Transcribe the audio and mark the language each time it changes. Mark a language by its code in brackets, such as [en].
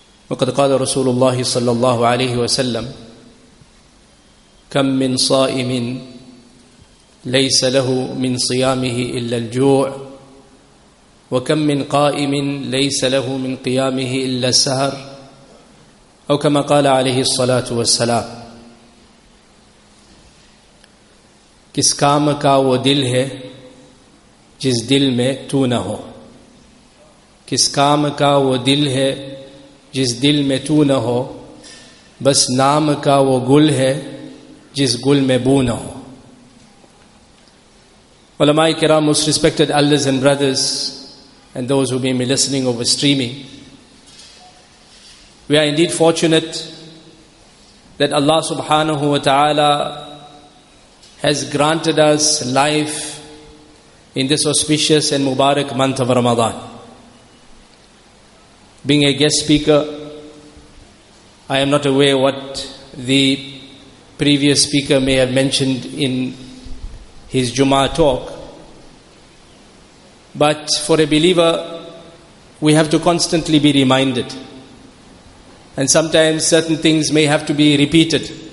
[ar] وقد قال رسول الله صلى الله عليه وسلم: كم من صائم ليس له من صيامه إلا الجوع، وكم من قائم ليس له من قيامه إلا السهر، أو كما قال عليه الصلاة والسلام. [ur] كس كام كا ودل ہے جس دل میں تو نہ ہو، کس کام کا وہ دل ہے جس دل میں تو نہ ہو، بس نام کا وہ گل ہے جس گل میں بو نہ ہو. علماء کرام، [en] Most respected elders and brothers, and those who be me listening over streaming, we are indeed fortunate that Allah سبحانہ و تعالی has granted us life in this auspicious and مبارک month of Ramadan. Being a guest speaker, I am not aware what the previous speaker may have mentioned in his Jummah talk, but for a believer, we have to constantly be reminded, and sometimes certain things may have to be repeated.